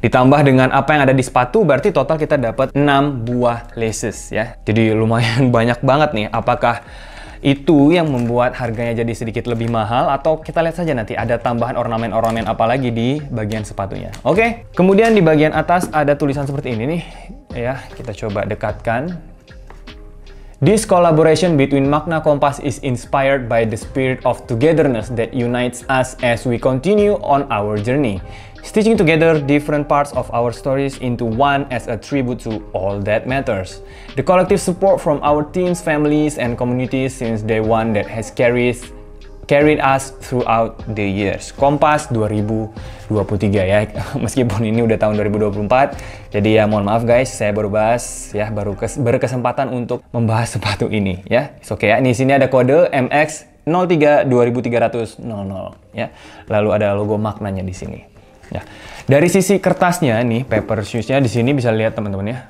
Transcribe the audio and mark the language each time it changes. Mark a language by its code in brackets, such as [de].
[id] Ditambah dengan apa yang ada di sepatu, berarti total kita dapat 6 buah laces ya. Jadi lumayan banyak banget nih. Apakah itu yang membuat harganya jadi sedikit lebih mahal, atau kita lihat saja nanti ada tambahan ornamen-ornamen apa lagi di bagian sepatunya. Oke. Kemudian di bagian atas ada tulisan seperti ini nih. Ya, kita coba dekatkan. [en] This collaboration between Magna Compass is inspired by the spirit of togetherness that unites us as we continue on our journey, stitching together different parts of our stories into one as a tribute to all that matters. The collective support from our teams, families, and communities since day one that has carried us throughout the years. [id] Compass 2023 ya, meskipun ini udah tahun 2024. Jadi ya mohon maaf guys, saya baru bahas ya, baru berkesempatan untuk membahas sepatu ini ya. [en] It's okay [id] ya. Di sini ada kode MX032300 ya. Lalu ada logo Magnanya di sini. Ya. Dari sisi kertasnya nih, paper shoes-nya di sini bisa lihat teman-teman ya.